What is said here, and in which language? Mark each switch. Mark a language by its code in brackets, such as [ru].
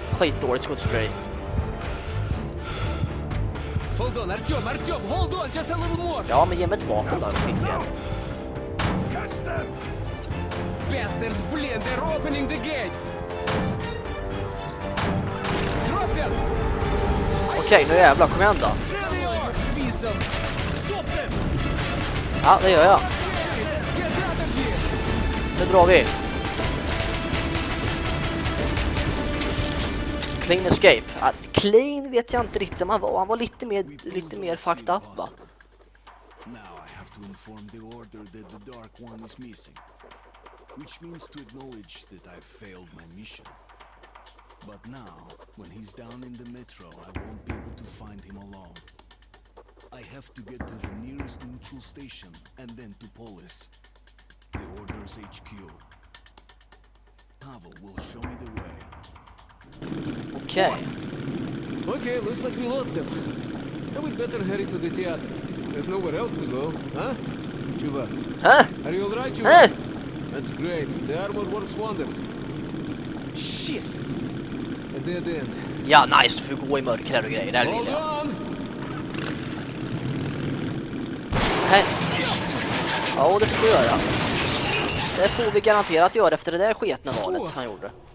[sv] Skitdåligt skottspray. [en] Hold on, Artyom, hold on, just a little more! [sv] Ja, men ge mig ett vapen då, fint igen. [en] Bastards, blend, they're opening the gate! Drop them! [sv] Okej, nu jävlar, kom igen då. [en] Stop them! [sv] Ja, det gör jag. Nu drar vi. [en] Clean escape. [sv] Clean vet jag inte riktigt man var. Han var lite mer [en] fucked up, [sv] va? [en] Now I have to inform the order that the Dark One is missing. Which means to acknowledge that I failed my mission. But now, when he's down in the metro, I won't be able to find him alone. I have to get to the nearest neutral station, and then to Polis. The Order's HQ. Pavel will show me the way. Okay. Okay, looks like we lost them. Now we'd better hurry to the theater. There's nowhere else to go, huh? Chuva. Huh? Are you alright, Chuva? Huh? That's great. The armor works wonders. Shit! A dead end. [sv] Ja, nice. Du får gå i mörkret och grejer. Det här [en] lilla. Hold on! [sv] Ja, det får vi göra. Det får vi garanterat göra efter det där sketna valet han gjorde.